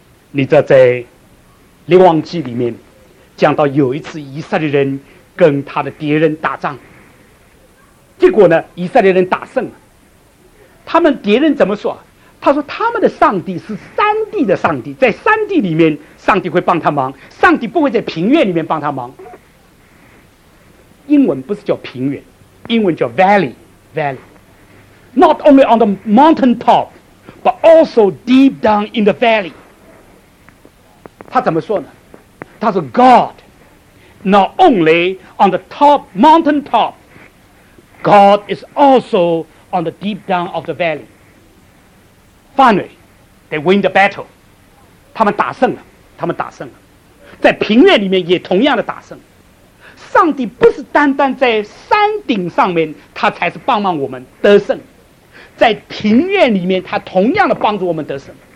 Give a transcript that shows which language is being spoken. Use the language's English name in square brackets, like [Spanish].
[Chinese] 你知道在列王记里面讲到有一次以色列人跟他的敌人打仗，结果呢以色列人打胜了。他们敌人怎么说？他说他们的上帝是山地的上帝，在山地里面上帝会帮他忙，上帝不会在平原里面帮他忙。英文不是叫平原，英文叫 valley， [English] valley. Not only on the mountain top, but also deep down in the valley. [Chinese] 他怎么说呢？ [English] 他说 God, not only on the top mountain top, God is also on the deep down of the valley. Finally, they win the battle. [Chinese] 他们打胜了，他们打胜了。在平原里面也同样的打胜，上帝不是单单在山顶上面他才是帮忙我们得胜，在平原里面他同样的帮助我们得胜。